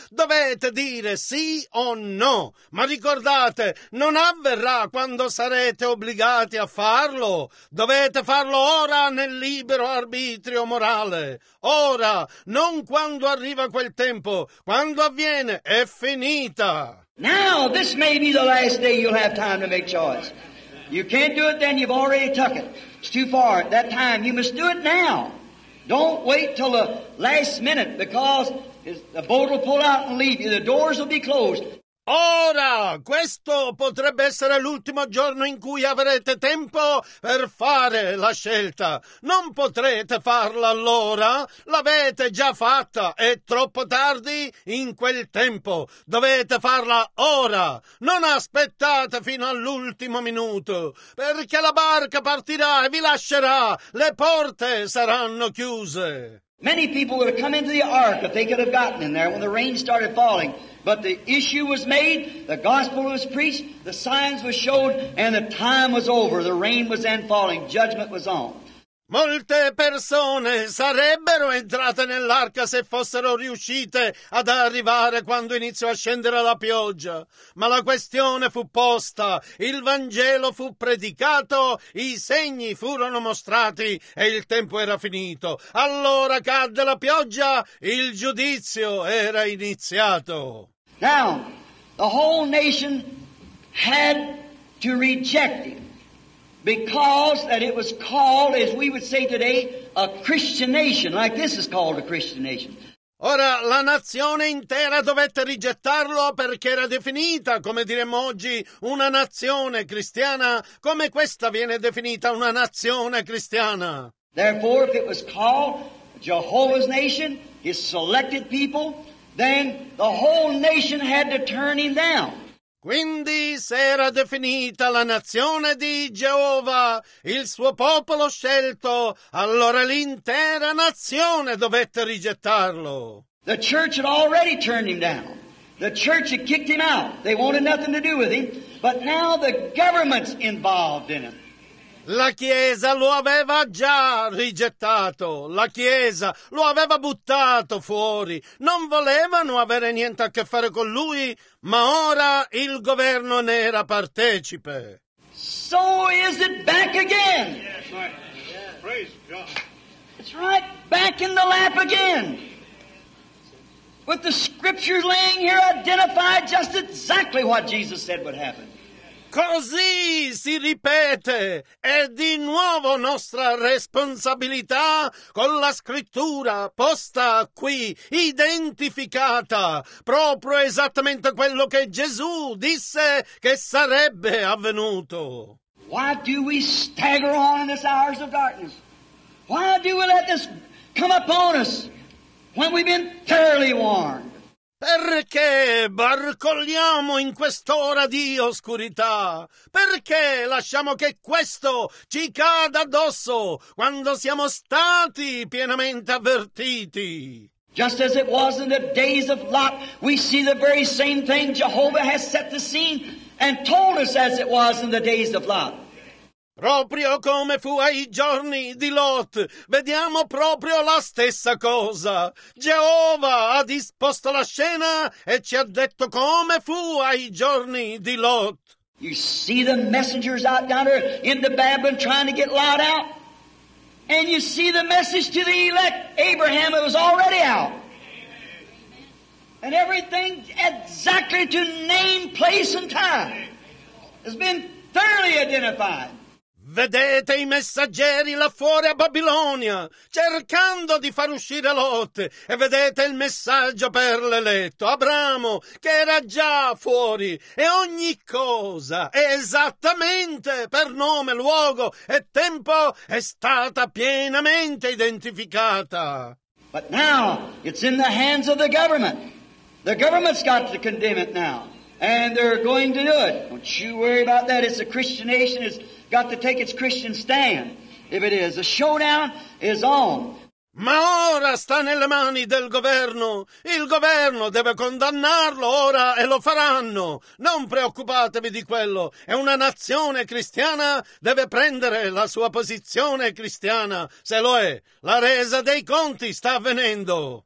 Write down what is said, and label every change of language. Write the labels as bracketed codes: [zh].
[it] Dovete dire sì o no. Ma ricordate, non avverrà quando sarete obbligati a farlo. Dovete farlo ora nel libero arbitrio morale. Ora, non quando arriva quel tempo. Quando avviene, è finita. [en] Now, this may be the last day you'll have time to make choice. You can't do it then, you've already took it. It's too far at that time. You must do it now. Don't wait till the last minute, because the boat will pull out and leave you. The doors will be closed. [it] Ora, questo potrebbe essere l'ultimo giorno in cui avrete tempo per fare la scelta. Non potrete farla allora. L'avete già fatta. È troppo tardi in quel tempo. Dovete farla ora. Non aspettate fino all'ultimo minuto, perché la barca partirà e vi lascerà. Le porte saranno chiuse. [en] Many people would have come into the ark if they could have gotten in there when the rain started falling. But the issue was made, the gospel was preached, the signs were showed, and the time was over. The rain was then falling. Judgment was on. [it] Molte persone sarebbero entrate nell'arca se fossero riuscite ad arrivare quando iniziò a scendere la pioggia. Ma la questione fu posta, il Vangelo fu predicato, i segni furono mostrati e il tempo era finito. Allora cadde la pioggia, il giudizio era iniziato. [en] Now, the whole nation had to reject it. Because that it was called, as we would say today, a Christian nation, like this is called a Christian nation. [it] Ora, la nazione intera dovette rigettarlo perché era definita, come diremmo oggi, una nazione cristiana, come questa viene definita una nazione cristiana. [en] Therefore, if it was called Jehovah's nation, his selected people, then the whole nation had to turn him down. [it] Quindi, se era definita la nazione di Geova, il suo popolo scelto, allora l'intera nazione dovette rigettarlo. [en] The church had already turned him down. The church had kicked him out. They wanted nothing to do with him. But now the government's involved in it. [it] La Chiesa lo aveva già rigettato, la Chiesa lo aveva buttato fuori, non volevano avere niente a che fare con lui, ma ora il governo ne era partecipe. [en] So is it back again? Praise God. It's right back in the lap again. With the scriptures laying here identified just exactly what Jesus said would happen. [it] Così si ripete, è di nuovo nostra responsabilità con la scrittura posta qui, identificata, proprio esattamente quello che Gesù disse che sarebbe avvenuto. [en] Why do we stagger on in this hours of darkness? Why do we let this come upon us when we've been thoroughly warned? [it] Perché barcolliamo in quest'ora di oscurità? Perché lasciamo che questo ci cada addosso quando siamo stati pienamente avvertiti? [en] Just as it was in the days of Lot, we see the very same thing. Jehovah has set the scene and told us as it was in the days of Lot. [it] Proprio come fu ai giorni di Lot, vediamo proprio la stessa cosa. Geova ha disposto la scena e ci ha detto come fu ai giorni di Lot. [en] You see the messengers out down there in the Babylon trying to get Lot out. And you see the message to the elect, Abraham, it was already out. And everything exactly to name, place and time has been thoroughly identified. [it] Vedete i messaggeri là fuori a Babilonia, cercando di far uscire Lot, e vedete il messaggio per l'eletto, Abramo, che era già fuori, e ogni cosa, esattamente per nome, luogo e tempo, è stata pienamente identificata. [en] But now, it's in the hands of the government. The government's got to condemn it now, and they're going to do it. Don't you worry about that, it's a Christian nation, it's... got to take its Christian stand. If it is, the showdown is on. [it] Ma ora sta nelle mani del governo. Il governo deve condannarlo ora e lo faranno. Non preoccupatevi di quello. È una nazione cristiana, deve prendere la sua posizione cristiana. Se lo è, la resa dei conti sta avvenendo.